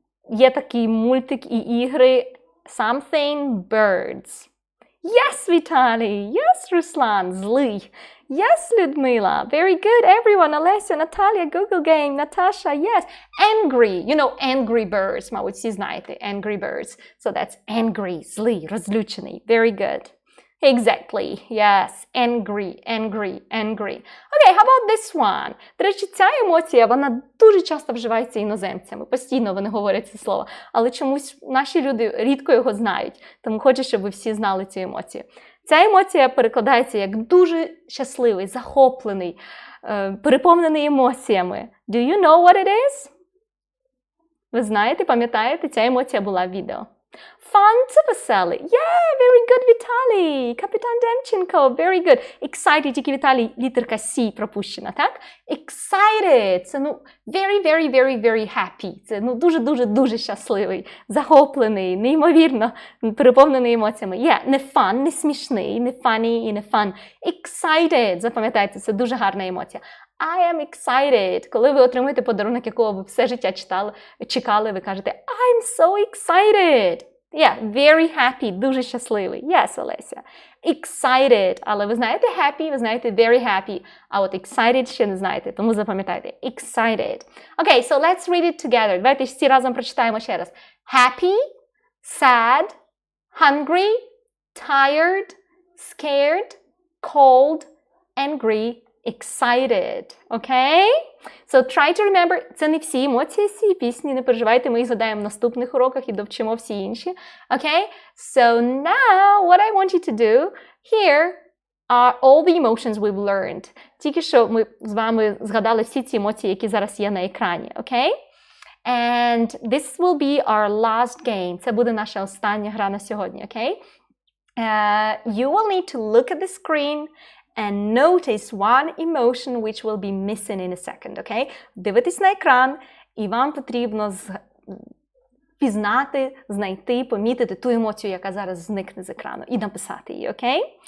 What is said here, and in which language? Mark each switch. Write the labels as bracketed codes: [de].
[uk] Є такий мультик і ігри Something Birds. [en] Yes, Vitaly! Yes, Руслан! Злий! Yes, Людмила! Very good, everyone! Олеся, Наталія, Google Game, Наташа, yes! Angry! You know, Angry Birds, [uk] мабуть, всі знаєте, [en] Angry Birds. So that's angry, злий, розлючений. Very good. Exactly, yes, angry, angry, angry. Okay, how about this one? [uk] До речі, ця емоція, вона дуже часто вживається іноземцями. Постійно вони говорять це слово. Але чомусь наші люди рідко його знають. Тому хочу, щоб ви всі знали цю емоцію. Ця емоція перекладається як дуже щасливий, захоплений, переповнений емоціями. [en] Do you know what it is? [uk] Ви знаєте, пам'ятаєте, ця емоція була в відео. Fun, це веселий. [en] Yeah, very good, Vitaly. [uk] Капітан Демченко, [en] very good. [uk] Excited, тільки Vitaly, літерка C пропущена, так? [en] Excited, [uk] це, ну, [en] very, very, very, very happy. [uk] Це, ну, дуже-дуже-дуже щасливий, захоплений, неймовірно, переповнений емоціями. Yeah, не fun, не смішний, не funny і не fun. Excited, запам'ятайте, це дуже гарна емоція. [en] I am excited. [uk] Коли ви отримуєте подарунок, якого ви все життя читали, чекали, ви кажете [en] I'm so excited. Yeah, very happy. [uk] Дуже щасливий. [en] Yes, Олеся. Excited. [uk] Але ви знаєте happy, ви знаєте very happy. А от excited ще не знаєте, тому запам'ятайте. [en] Excited. Okay, so let's read it together. [uk] Давайте всі разом прочитаємо ще раз. [en] Happy, sad, hungry, tired, scared, cold, angry, excited, okay? So try to remember, [uk] це не всі емоції, всі пісні, не переживайте, ми їх згадаємо в наступних уроках і довчимо всі інші, okay? [en] So now, what I want you to do, here are all the emotions we've learned. [uk] Тільки що ми з вами згадали всі ці емоції, які зараз є на екрані, okay? [en] And this will be our last game, [uk] це буде наша остання гра на сьогодні, [en] okay? You will need to look at the screen and notice one emotion which will be missing in a second, okay? [uk] Дивитись на екран, і вам потрібно пізнати, знайти, помітити ту емоцію, яка зараз зникне з екрану, і написати її, okay?